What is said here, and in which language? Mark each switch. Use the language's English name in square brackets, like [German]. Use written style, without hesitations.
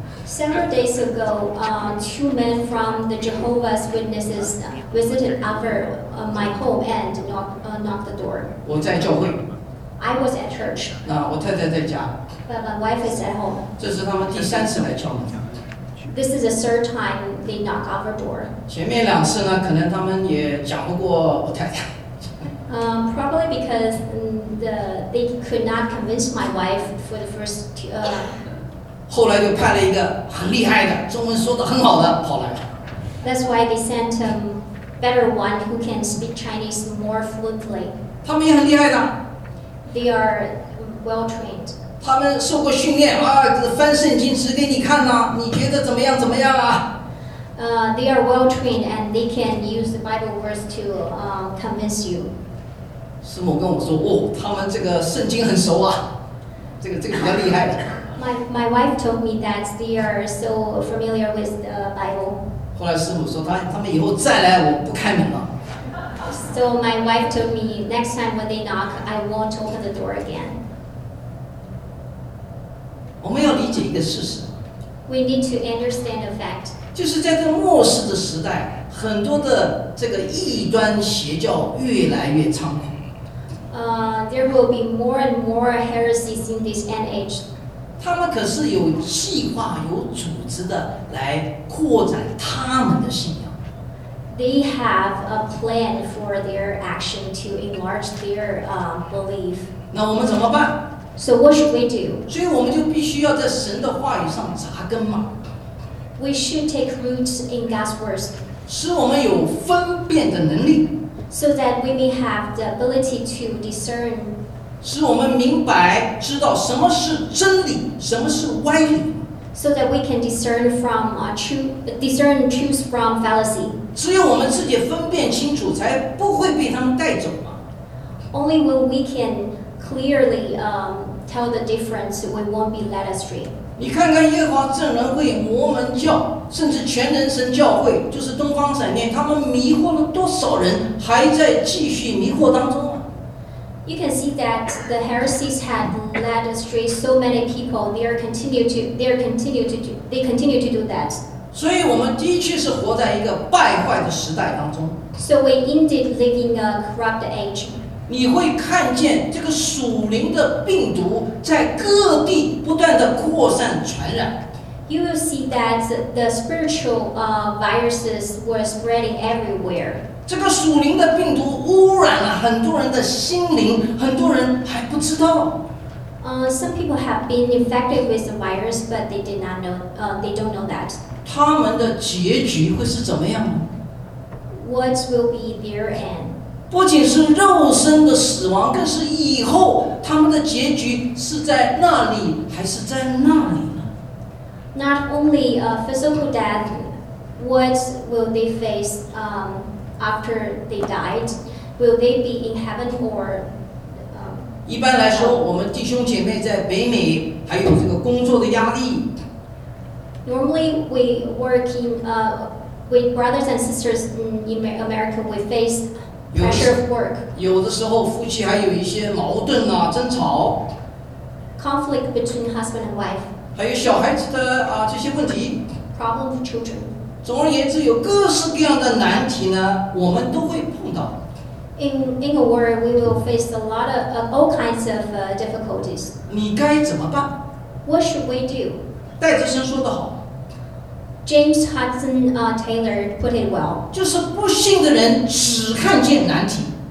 [English] Several days ago, two men from the Jehovah's Witnesses visited my home and knocked the door. [Chinese] 我在教会。 [English] I was at church. [Chinese] 那我太太在家。 [English] But my wife is at home. [Chinese] 这是他们第三次来敲门。 [English] This is the third time they knock our door. [Chinese] 前面两次呢，可能他们也讲不过我太太。 [English] Probably because they could not convince my wife for the first two. [Chinese] 后来就派了一个很厉害的，中文说得很好的跑来。 [English] That's why they sent a better one who can speak Chinese more fluently. [Chinese] 他们也很厉害的。 [English] They are well trained. [Chinese] 他们受过训练啊，翻圣经词给你看呐、啊，你觉得怎么样？怎么样啊？ [English] They are well trained and they can use the Bible words to convince you. [Chinese] 师母跟我说，哦，他们这个圣经很熟啊，这个比较厉害。 [English] My wife told me that they are so familiar with the Bible. [Chinese] 后来师母说他们以后再来我不开门了。 [English] So my wife told me next time when they knock, I won't open the door again. [Chinese] 我们要理解一个事实。 [English] We need to understand a fact. [Chinese] 就是在这末世的时代，很多的这个异端邪教越来越猖狂。 [English] There will be more and more heresies in this end age. [Chinese] 他们可是有计划、有组织的来扩展他们的信仰。 [English] They have a plan for their action to enlarge their belief. [Chinese] 那我们怎么办 [English] ？So what should we do? [Chinese] 所以我们就必须要在神的话语上扎根嘛。 [English] We should take roots in God's words. [Chinese] 使我们有分辨的能力。 [English] So that we may have the ability to discern. [Chinese] 使我们明白知道什么是真理，什么是歪理。 [English] So that we can discern from discern truth from fallacy. [Chinese] 只有我们自己分辨清楚，才不会被他们带走嘛。 [English] Only when we can clearly tell the difference, we won't be led astray. [Chinese] 你看看耶和华证人会、摩门教，甚至全能神教会，就是东方闪电，他们迷惑了多少人，还在继续迷惑当中。 [English] You can see that the heresies have led astray so many people. They continue to do that. [Chinese] 所以我们的确是活在一个败坏的时代当中。 [English] So we indeed live in a corrupt age. [Chinese] 你会看见这个属灵的病毒在各地不断的扩散传染。 [English] You will see that the spiritual viruses were spreading everywhere. [Chinese] 这个属灵的病毒污染了很多人的心灵，很多人还不知道。 [English] Some people have been infected with the virus, but they did not know. They don't know that. [Chinese] 他们的结局会是怎么样 [English] ？What will be their end? [Chinese] 不仅是肉身的死亡，更是以后他们的结局是在那里还是在那里呢 [English] ？Not only a physical death, what will they face? After they died, will they be in heaven or? [Chinese] 一般来说，我们弟兄姐妹在北美还有这个工作的压力。 [English] Normally, we work in with brothers and sisters in America. We face pressure of work. [Chinese] 有的时候，夫妻还有一些矛盾啊，争吵。 [English] Conflict between husband and wife. [Chinese] 还有小孩子的啊这些问题。 [English] Problem of children. [Chinese] 总而言之，有各式各样的难题呢，我们都会碰到。 [English] In a word, we will face a lot of all kinds of difficulties. [Chinese] 你该怎么办 [English] ？What should we do? [Chinese] 戴德森说得好。 [English] James Hudson Taylor put it well. [Chinese] 就是不信的人只看见难题。